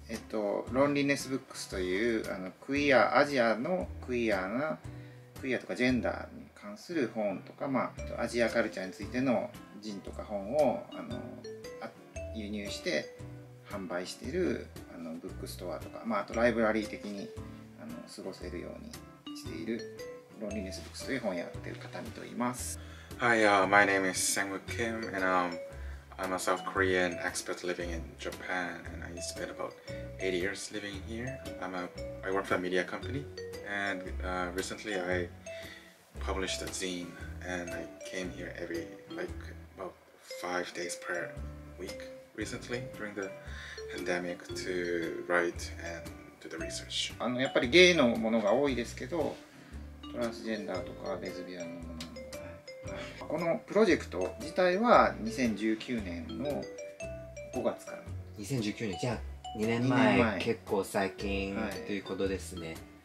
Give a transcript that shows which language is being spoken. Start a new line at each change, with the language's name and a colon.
Japanese: Loneliness Books というあのクイア、アジアのクイアな、クイアとかジェンダーに関する本とか、まあ、アジアカルチャーについてのジンとか本をあの輸入して販売しているあのブックストアとか、まあ、あとライブラリー的にあの過ごせるようにしているロンリネスブックスという本をやっている方にと言います。
English: Hi,、my name is Sangwoo Kim and、I'm a South Korean expat living in Japan and I spent about 8 years living here. I work for a media company and recently I published a zine and I came here every like about 5 days per week recently during the pandemic to write and do the research.
Japanese: あのやっぱりゲイのものが多いですけど、トランスジェンダーとかレズビアンのものこのプロジェクト自体は2019年の5月から 2019年、じゃあ2年前、結構最近、はい、ということですね。